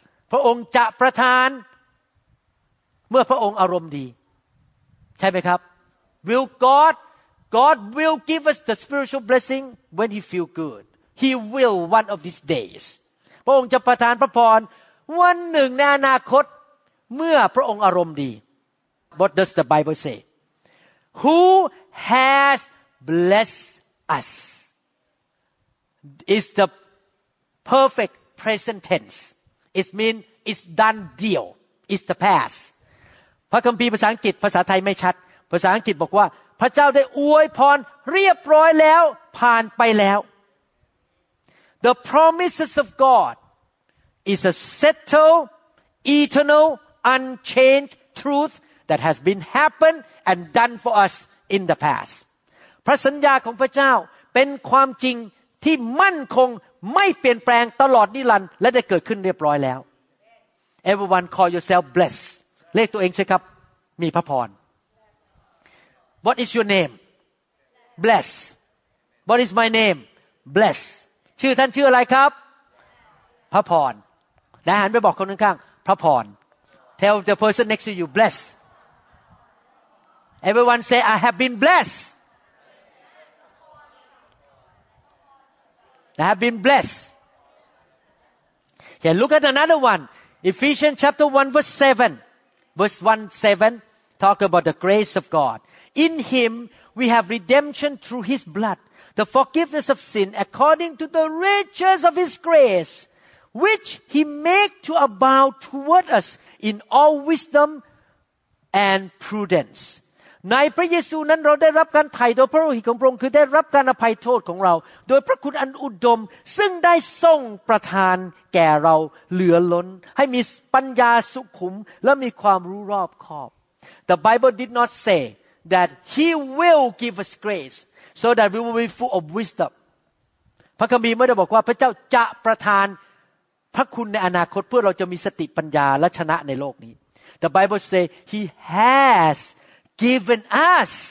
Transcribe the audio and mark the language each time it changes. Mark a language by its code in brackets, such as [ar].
[th] พระองค์จะประทานเมื่อพระองค์อารมณ์ดีใช่ไหมครับ [en] Will God will give us the spiritual blessing when he feel good he will one of these days [th] พระองค์จะประทานพระพรวันหนึ่งในอนาคตเมื่อพระองค์อารมณ์ดี [en] What does the Bible say? Who has blessed us is the perfect present tense. It means it's done deal. It's the past. [th] พระคัมภีร์ภาษาอังกฤษภาษาไทยไม่ชัดภาษาอังกฤษบอกว่าพระเจ้าได้อวยพรเรียบร้อยแล้วผ่านไปแล้ว [en] The promises of God is a settled, eternal, unchanged truth that has been happened and done for us in the past. [th] พระสัญญาของพระเจ้าเป็นความจริงที่มั่นคงไม่เปลี่ยนแปลงตลอดนิรันดร์และได้เกิดขึ้นเรียบร้อยแล้ว [en] Everyone call yourself blessed. [th] เรียกตัวเองใช่ครับมีพระพร [en] What is your name? Blessed. What is my name? Blessed [th] ชื่อท่านชื่ออะไรครับพระพรนายหันไปบอกคนข้างๆพระพร [en] Tell the person next to you bless Everyone say I have been blessed I have been blessed Here look at another one Ephesians chapter 1 verse 7 verse 1:7 talk about the grace of God In him we have redemption through his bloodThe forgiveness of sin according to the riches of his grace, which he made to abound toward us in all wisdom and prudence. [th] ในพระเยซูนั้นเราได้รับการไถ่โดยพระโลหิตของพระองค์คือได้รับการอภัยโทษของเราโดยพระคุณอันอุดมซึ่งได้ทรงประทานแก่เราเหลือล้นให้มีปัญญาสุขุมและมีความรู้รอบคอบ [en] The Bible did not say that he will give us grace. So that we will be full of wisdom. [th] พระคัมภีร์ไม่ได้บอกว่าพระเจ้าจะประทานพระคุณในอนาคตเพื่อเราจะมีสติปัญญาและชนะในโลกนี้ [en] The Bible says He has given us.